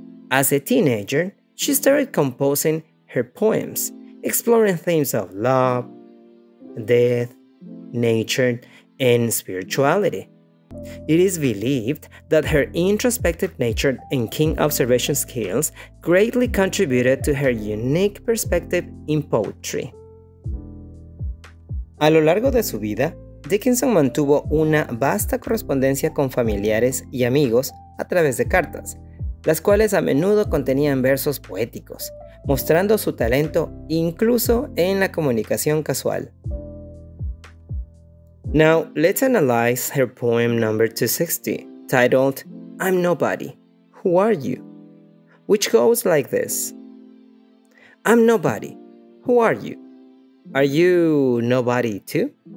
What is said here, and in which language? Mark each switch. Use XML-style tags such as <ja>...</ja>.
<en>As a teenager, she started composing her poems, exploring themes of love, death, nature, and spirituality. It is believed that her introspective nature and keen observation skills greatly contributed to her unique perspective in poetry.</en> <es>A lo largo de su vida, Dickinson mantuvo una vasta correspondencia con familiares y amigos a través de cartas, las cuales a menudo contenían versos poéticos, mostrando su talento incluso en la comunicación casual.</es> <en>Now, let's analyze her poem number 260, titled I'm Nobody, Who Are You?, which goes like this. I'm nobody, who are you? Are you nobody too?</en>